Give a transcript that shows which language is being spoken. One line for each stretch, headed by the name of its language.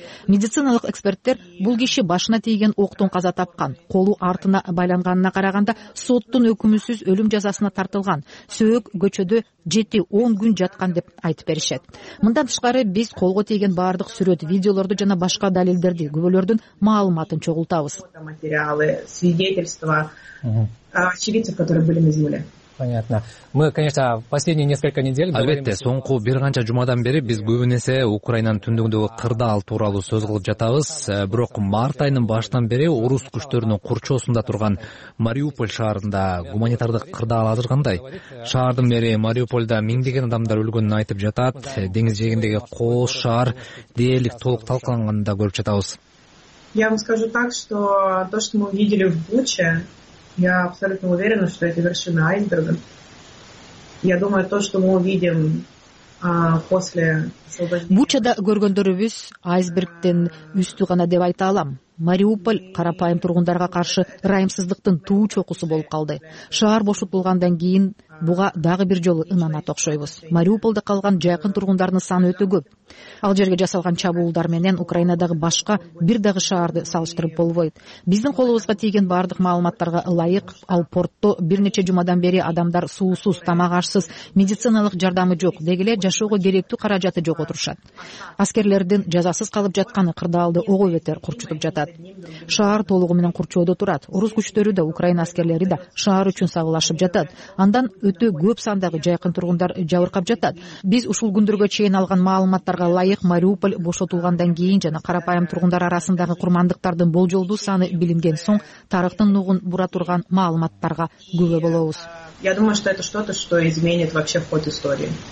Kyrgyz: Медициналык эксперттер бул киши башына тийген октон каза тапкан, колу артына байланганына караганда соттун өкүмүсүз өлүм жазасына тартылган, сөөк көчөдө 7-10 күн жаткан деп айтып беришет. Мындан тышкары биз колго тийген баардык сүрөт, видеолорду жана башка далилдерди, күбөлөрдүн маалыматын чогултабыз.
Russian: Материалы, свидетельства очевидцев, которые были на земле. Понятно. Мы, конечно, последние несколько недель
Kyrgyz: албетте, соңку бир канча жумадан бери биз көбүнесе Украинанын түндүгүндөгү кырдаал тууралуу сөз кылып жатабыз. Бирок март айынын башынан бери орус күчтөрүнүн курчоосунда турган Мариуполь шаарында гуманитардык кырдаал азыр кандай? Шаардын мэри Мариуполда миңдеген адамдар өлгөнүн айтып жатат. Деңиз жээгиндеги кол шаар дээрлик толук талкаланганын да көрүп жатабыз.
Russian: Я вам скажу так, что то, что мы видели в Буче, я абсолютно уверена, что это вершина айсберга. Я думаю, то, что мы увидим после освобождения.
Kyrgyz: Бучада көргөндөрүбүз айсбергтен үстү гана деп айта алам. Мариуполь карапайым тургундарга каршы ырайымсыздыктын туу чокусу болуп калды. Шаар бошотулгандан кийин Буга дагы бир жолу ынанат окшойбуз. Мариуполда калган жакын тургундардын саны өтө көп. Ал жерге жасалган чабуулдар менен Украинадагы башка бир дагы шаарды салыштырып болбойт. Биздин колубузга тийген бардык маалыматтарга ылайык, ал портто бир нече жумадан бери адамдар суусуз, тамак ашсыз, медициналык жардамы жок, дегиле жашоого керектүү каражаты жок отурушат. Аскерлердин жазасыз калып жатканы кырдаалды ого бетер курчутуп жатат. Шаар толугу менен курчоодо турат. Орус күчтөрү да, Украина аскерлери да шаар үчүн сагылашып жатат. Андан өтө көп сандагы жайкын тургундар жабыркап жатат. Биз ушул күндөргө чейин алган маалыматтарга ылайык, Мариуполь бошотулгандан кийин жана карапайым тургундар арасындагы курмандыктардын болжолдуу саны билинген соң тарыхтын нугун бура турган маалыматтарга күбө болобуз.
Russian: Я думаю, что это что-то, что изменит вообще ход истории.